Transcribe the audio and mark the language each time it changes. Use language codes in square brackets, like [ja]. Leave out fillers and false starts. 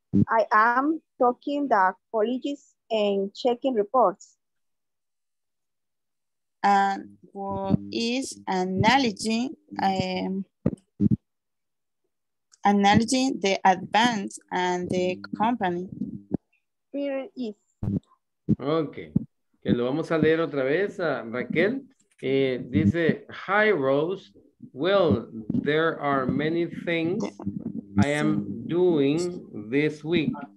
[en] I am talking to colleges and checking reports. and what is acknowledging the advance and the company. Here is. Okay. [es] Que lo vamos a leer otra vez a Raquel. Dice, [en] hi Rose. Well, there are many things I am doing this week.